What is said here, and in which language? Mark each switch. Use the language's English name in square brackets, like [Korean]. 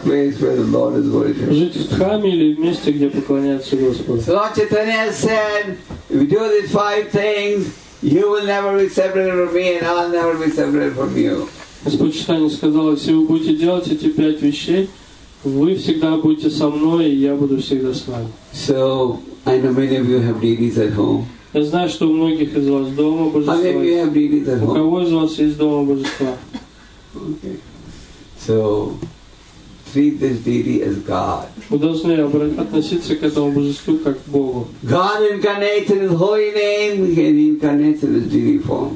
[Russian] Жить в храме или в месте, где поклоняется Господу. [English] Lord Chaitanya said, if you do these five things, you will never be separated from me and I'll never be separated from you. [Russian] Господь Чайтанья сказал, если вы будете делать эти пять вещей, вы всегда будете со мной, и я буду всегда с вами. [English] So, I know many of you have deities at home. [Russian] Я знаю, что у многих из вас дома божества. У кого из вас есть дома божества? [English] So, treat this deity as God. [Russian] Вы должны относиться к этому божеству как к Богу. [English] God incarnates in His holy name, and He incarnates in His deity form.